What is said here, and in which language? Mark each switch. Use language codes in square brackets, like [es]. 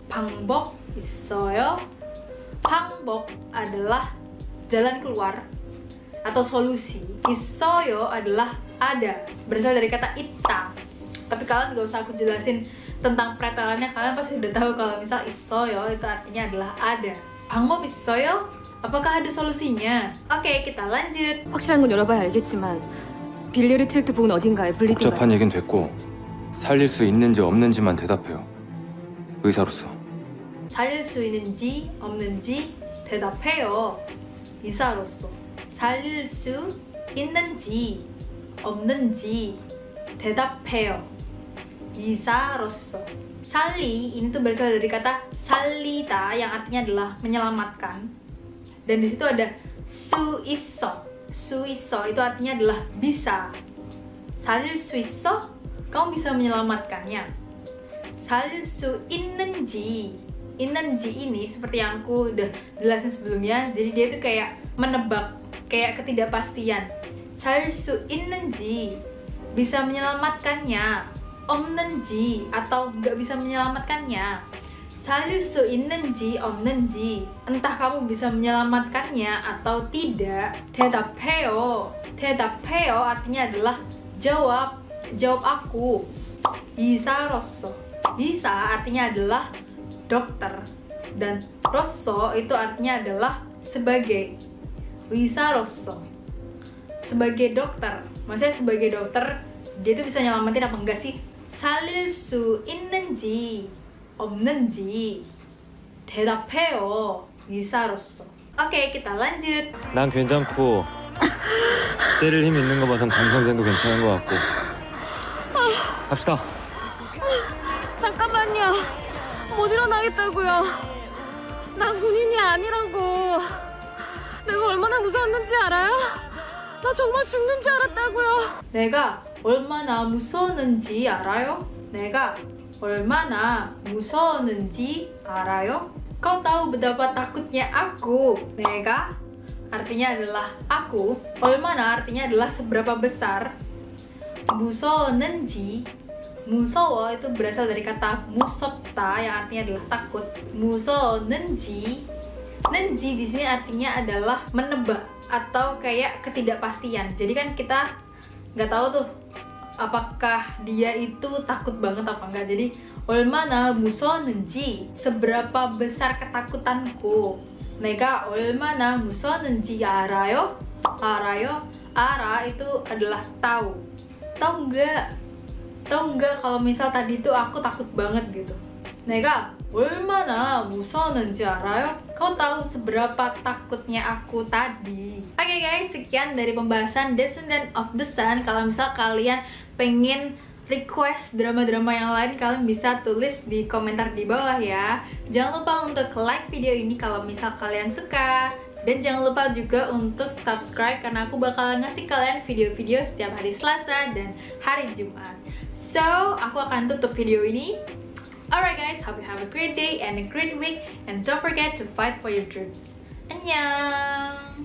[ko] Banggeob isseoyo?" [id] Banggeob adalah jalan keluar atau solusi. Isseoyo adalah ada. Berasal dari kata itta. Tapi kalian gak usah aku jelasin tentang pretelannya, kalian pasti udah tahu kalau misal isoyo itu artinya adalah ada. [ko] Banggeob isseoyo? [id] Apakah ada solusinya? Oke, kita lanjut. [ko] 확실한 건 열어봐야 알겠지만 빌리어리 트랙트 부분 어딘가에 분리된 거야. 복잡한 얘기는 됐고 살릴 수 있는지 없는지만 대답해요. 의사로서. 살릴 수 있는지 없는지 대답해요. 의사로서. 살릴 수 있는지 없는지 대답해요. 이사로서. [id] 살리 ini tuh berasal dari kata 살리다 yang artinya adalah menyelamatkan. Dan di situ ada 수 있어. 수 있어 itu artinya adalah bisa. [ko] 살릴 수 있어? [id] Kamu bisa menyelamatkannya. [ko] 살릴 수 있는지. [id] 있는지 ini seperti yang aku udah jelasin sebelumnya. Jadi dia tuh kayak menebak, kayak ketidakpastian. [ko] 살릴 수 있는지. [id] Bisa menyelamatkannya. 없는지 atau gak bisa menyelamatkannya. [ko] 살릴 수 있는지 없는지. [id] Entah kamu bisa menyelamatkannya atau tidak. [ko] 대답해요. [id] 대답해요 artinya adalah jawab. Jawab aku. [ko] 이사로서. [id] 이사 artinya adalah dokter. Dan 로서 itu artinya adalah sebagai. [ko] 이사로서. [id] Sebagai dokter. Maksudnya sebagai dokter dia tuh bisa nyelamatin apa enggak sih? [ko] 살릴 수 있는지 없는지 대답해요 의사로서. [id] Oke, kita lanjut. [ko] 난 괜찮고 때릴 힘 있는 거 봐선 감성쟁도 괜찮은 거 같고. 갑시다. 잠깐만요. 못 일어나겠다고요. 난 군인이 아니라고. 내가 얼마나 무서웠는지 알아요? 나 정말 죽는 줄 알았다고요. 내가 얼마나 무서웠는지 알아요? 내가 얼마나 무서웠는지 알아요? [id] Kau tahu betapa takutnya aku. 내가 artinya adalah aku. 얼마나 artinya adalah seberapa besar. 무서웠는지 무서워 itu berasal dari kata 무섭다 yang artinya adalah takut. 무서웠는지 는지 di sini artinya adalah menebak atau kayak ketidakpastian. Jadi kan kita nggak tahu tuh apakah dia itu takut banget apa enggak. Jadi [ko] 얼마나 무서웠는지 [id] seberapa besar ketakutanku. [ko] 내가 얼마나 무서웠는지 알아요? 알아요? [id] 알아 itu adalah tahu. Tahu enggak? Tahu enggak kalau misal tadi itu aku takut banget gitu. [ko] 내가 얼마나 무서웠는지 알아요? [id] Kau tahu seberapa takutnya aku tadi? Oke guys, sekian dari pembahasan Descendant of the Sun. Kalau misal kalian pengen request drama-drama yang lain, kalian bisa tulis di komentar di bawah ya. Jangan lupa untuk like video ini kalau misal kalian suka. Dan jangan lupa juga untuk subscribe karena aku bakal ngasih kalian video-video setiap hari Selasa dan hari Jumat. So, aku akan tutup video ini. [en] Alright guys, hope you have a great day and a great week. And don't forget to fight for your dreams. [ko] Annyeong!